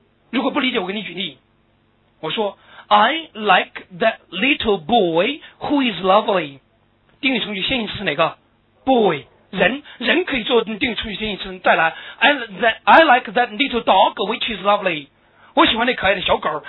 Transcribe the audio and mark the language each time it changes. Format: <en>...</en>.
<zh>如果不理解，我给你举例，我说</zh> <en>I like that little boy who is lovely。</en> <zh>定语从句先行词是哪个？ boy， 人，人可以做定语从句先行词。再来，</zh> <en>I like that little dog which is lovely，</en> <zh>我喜欢那可爱的小狗。</zh>